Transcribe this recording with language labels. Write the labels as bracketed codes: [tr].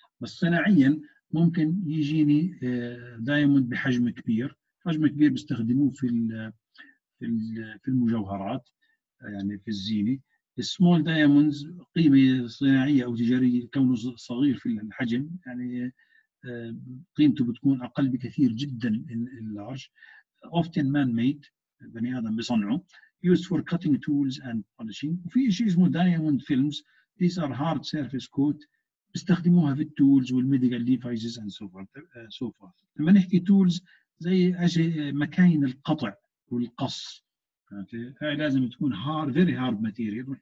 [ar] بس صناعيا ممكن يجيني دايموند بحجم كبير، حجم كبير بيستخدموه في المجوهرات يعني في الزينة. السمول دايموندز قيمة صناعية أو تجارية، كونه صغير في الحجم يعني قيمته بتكون أقل بكثير جدا من اللارج. [en] often man made، [ar] بني آدم بيصنعه. [en] used for cutting tools and polishing. [ar] وفي شيء اسمه دايموند فيلمز، [en] these are hard surface coat، [ar] بيستخدموها في التولز والميديكال ديفايسز [en] and so forth. [ar] لما نحكي تولز زي أشياء مكاين القطع والقص، هاي لازم تكون [en] hard very hard material.